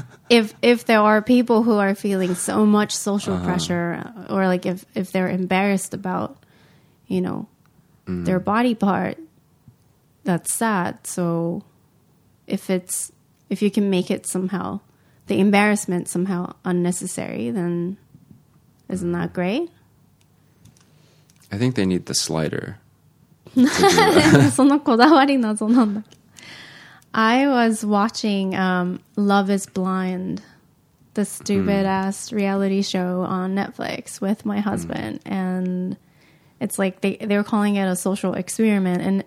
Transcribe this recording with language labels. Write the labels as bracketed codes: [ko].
[en] if there are people who are feeling so much social pressure, or like if they're embarrassed about, you know, their body part, that's sad. So if you can make it somehow, the embarrassment somehow unnecessary, then isn't that great? I think they need the slider. [ja] その こだわり謎なんだ。 [en] I was watching Love is Blind, the stupid-ass reality show on Netflix with my husband. And it's like they're calling it a social experiment.